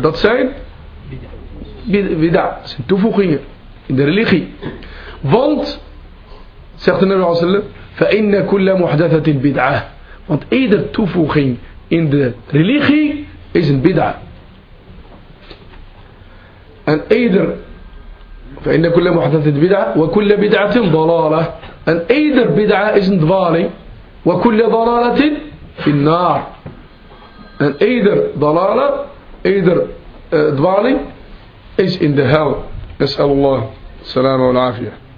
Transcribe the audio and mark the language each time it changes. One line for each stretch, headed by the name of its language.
Dutch: Dat zijn bid'a, dat zijn toevoegingen in de religie. Want, zegt de Nabi sallallahu alayhi wa sallam,
Arabic: فَإِنَّ كُلَّ مُحْدَثَةٍ بِدْعَةٍ.
Dutch: Want ieder toevoeging in de religie is een bid'a. En ieder,
Arabic: فَإِنَّ كُلَّ مُحْدَثَةٍ بِدْعَةٍ وَكُلَّ بِدْعَةٍ ضَلَالَةٍ.
Dutch: En ieder bid'a is een dwaling.
Arabic: وَكُلَّ ضَلَالَةٍ فِي النَّارِ.
Dutch: En ieder dwaling, ieder dwaling is in de hel.
Arabic: نسأل الله السلامة والعافية.